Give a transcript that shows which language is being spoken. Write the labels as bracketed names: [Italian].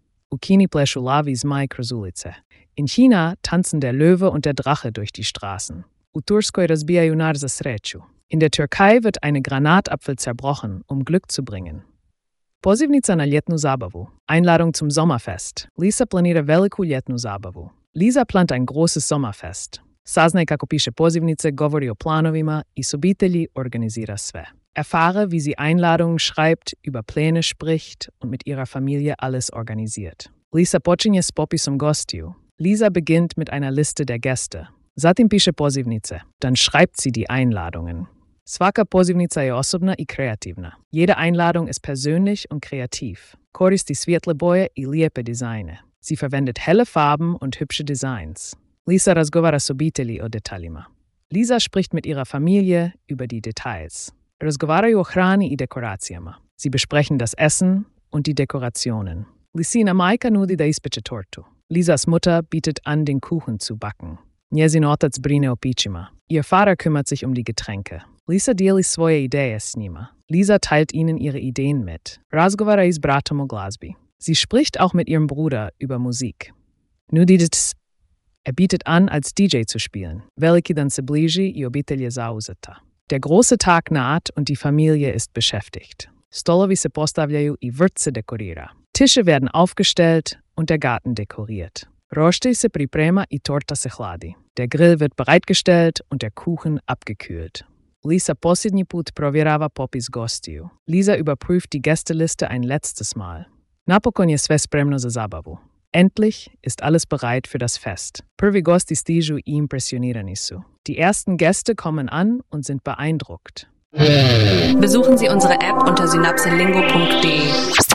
[Croatian] U Kini plešu lavi zmaj kroz ulice. [German] In China tanzen der Löwe und der Drache durch die Straßen. [Croatian] U Turskoj razbijaju nar za sreću. [German] In der Türkei wird eine Granatapfel zerbrochen, um Glück zu bringen. [Croatian] Pozivnica na ljetnu zabavu. [German] Einladung zum Sommerfest. [Croatian] Lisa planira veliku ljetnu zabavu. [German] Lisa plant ein großes Sommerfest. [Croatian] Saznaj kako piše pozivnice, govori o planovima i s obitelji organizira sve. [German] Erfahre, wie sie Einladungen schreibt, über Pläne spricht und mit ihrer Familie alles organisiert. [Croatian] Lisa počinje s popisom gostiju. [German] Lisa beginnt mit einer Liste der Gäste. [Croatian] Zatim piše pozivnice. [German] Dann schreibt sie die Einladungen. [Croatian] Svaka pozivnica je osobna i kreativna. [German] Jede Einladung ist persönlich und kreativ. [Croatian] Koristi svjetle boje i lijepe dizajne. [German] Sie verwendet helle Farben und hübsche Designs. [Croatian] Lisa razgovara s obitelji o detaljima. [German] Lisa spricht mit ihrer Familie über die Details. [Croatian] Razgovaraju o hrani i dekoracijama. [German] Sie besprechen das Essen und die Dekorationen. [Croatian] Lisina majka nudi da ispeče tortu. [German] Lisas Mutter bietet an, den Kuchen zu backen. [Croatian] Njezin otac brine o pićima. [German] Ihr Vater kümmert sich um die Getränke. [Croatian] Lisa dijeli svoje ideje s njima. [German] Lisa teilt ihnen ihre Ideen mit. [Croatian] Razgovara i s bratom o glazbi. [German] Sie spricht auch mit ihrem Bruder über Musik. Er bietet an, als DJ zu spielen. [Croatian] Veliki dan se bliži i obitelj je zauzeta. [German] Der große Tag naht und die Familie ist beschäftigt. [Croatian] Stolovi se postavljaju i vrt se dekorira. [German] Tische werden aufgestellt und der Garten dekoriert. [Croatian] Roštilj se priprema i torta se hladi. [German] Der Grill wird bereitgestellt und der Kuchen abgekühlt. [Croatian] Lisa posljednji put provjerava popis gostiju. [German] Lisa überprüft die Gästeliste ein letztes Mal. [Croatian] Napokon je sve spremno za zabavu. [German] Endlich ist alles bereit für das Fest. [Croatian] Prvi gosti stižu i impresionirani su. [German] Die ersten Gäste kommen an und sind beeindruckt. Besuchen Sie unsere App unter synapselingo.de.